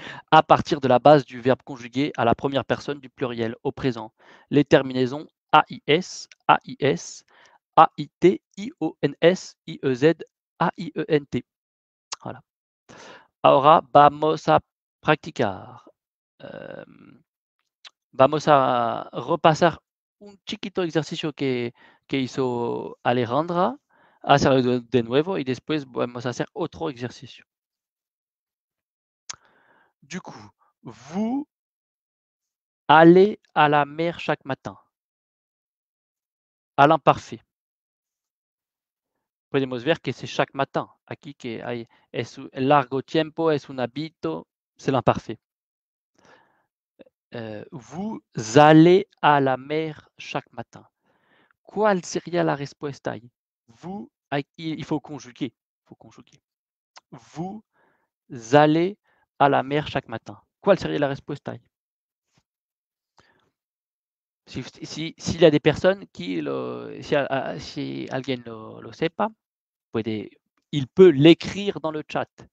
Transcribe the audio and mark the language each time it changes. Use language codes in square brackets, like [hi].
[fr] À partir de la base du verbe conjugué à la première personne du pluriel, au présent, les terminaisons AIS, AIS, AIT, IONS, IEZ, AIENT. Voilà. [es] Ahora vamos a practicar. Vamos a repasar un chiquito ejercicio que hizo Alejandra, hacerlo de nuevo y después vamos a hacer otro ejercicio. [fr] Du coup, vous allez à la mer chaque matin. À l'imparfait. [es] Podemos ver que [fr] c'est chaque matin. [es] Aquí que hay, es un largo tiempo, es un hábito. [fr] C'est l'imparfait. Vous allez à la mer chaque matin. [es] ¿Cuál sería la respuesta ahí? [fr] Vous, il faut conjuguer. Vous allez à la mer chaque matin. Quelle serait la réponse taille? S'il y a des personnes qui le, [es] si alguien [fr] le sait pas, il peut l'écrire dans le chat.